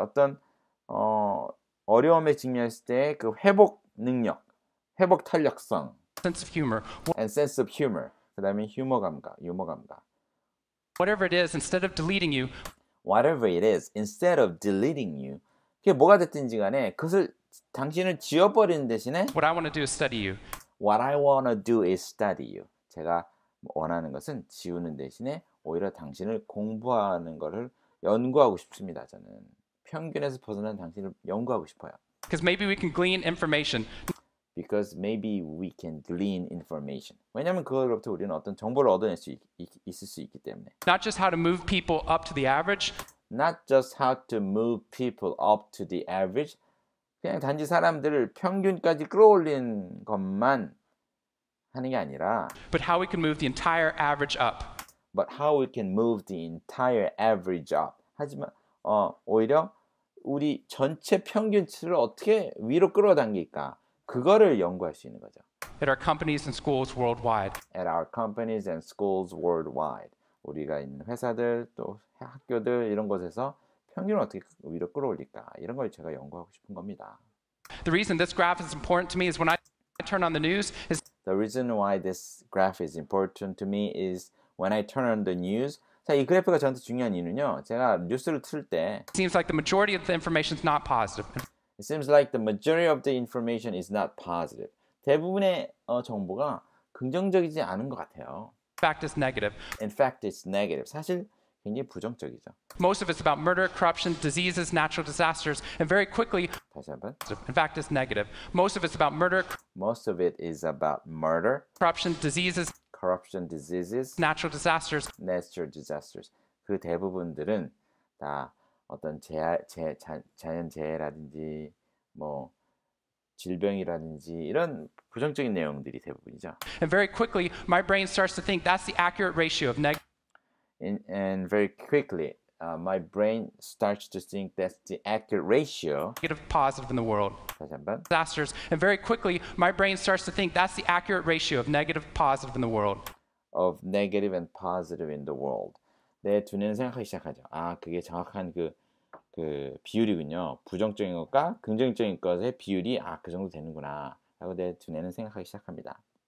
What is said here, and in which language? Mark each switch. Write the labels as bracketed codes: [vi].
[ko] 어떤 어려움에 직면했을 때 그 회복 능력, 회복 탄력성. [en] Sense of humor. And sense of humor. [ko] 그다음에 유머 감각, 유머 감각. [en] Whatever it is, instead of deleting you. Whatever it is, instead of deleting you. [ko] 그게 뭐가 됐든지 간에 그것을 당신을 지워버리는 대신에. [en] What I want to do is study you. What I want to do is study you. [ko] 제가 원하는 것은 지우는 대신에 오히려 당신을 공부하는 것을 연구하고 싶습니다. 저는 평균에서 벗어난 당신을 연구하고 싶어요. [en] Because maybe we can glean information. Because maybe we can glean information. [ko] 왜냐하면 그것으로부터 우리는 어떤 정보를 얻어낼 수 있을 수 있기 때문에. [en] Not just how to move people up to the average. Not just how to move people up to the average. [ko] 그냥 단지 사람들을 평균까지 끌어올린 것만. 하는 게 아니라 [en] But how we can move the entire average up. But how we can move the entire average up. [ko] 하지만 오히려 우리 전체 평균치를 어떻게 위로 끌어당길까? 그거를 연구할 수 있는 거죠. [en] At our companies and schools worldwide. At our companies and schools worldwide. [ko] 우리가 있는 회사들 또 학교들 이런 곳에서 평균을 어떻게 위로 끌어올릴까? 이런 걸 제가 연구하고 싶은 겁니다. [en] The reason this graph is important to me is when I turn on the news is The reason why this graph is important to me is when I turn on the news. [ko] 자, 이 그래프가 저한테 중요한 이유는요. 제가 뉴스를 틀 때 [en] It seems like the majority of the information is not positive. It seems like the majority of the information is not positive. [ko] 대부분의 정보가 긍정적이지 않은 것 같아요. [en] In fact, it's negative. In fact, it's negative. [ko] 사실 굉장히 부정적이죠. [en] Most of it's about murder, corruption, diseases, natural disasters, and very quickly. [ko] 다시 한번. [en] In fact, it's negative. Most of it's about murder. Most of it is about murder, corruption, diseases, corruption, diseases, natural disasters, natural disasters. [ko] 그 대부분들은 다 어떤 자연재해라든지 뭐 질병이라든지 이런 부정적인 내용들이 대부분이죠. [en] And very quickly, my brain starts to think that's the accurate ratio of negative. And very quickly, my brain starts to think that's the accurate ratio. Negative positive in the world. [ko] 다시 한번. [en] Disasters. And very quickly, my brain starts to think that's the accurate ratio of negative positive in the world. Of negative and positive in the world. [ko] 내 두뇌는 생각하기 시작하죠. 아, 그게 정확한 그 비율이군요. 부정적인 것과 긍정적인 것의 비율이 아, 그 정도 되는구나. 라고 내 두뇌는 생각하기 시작합니다.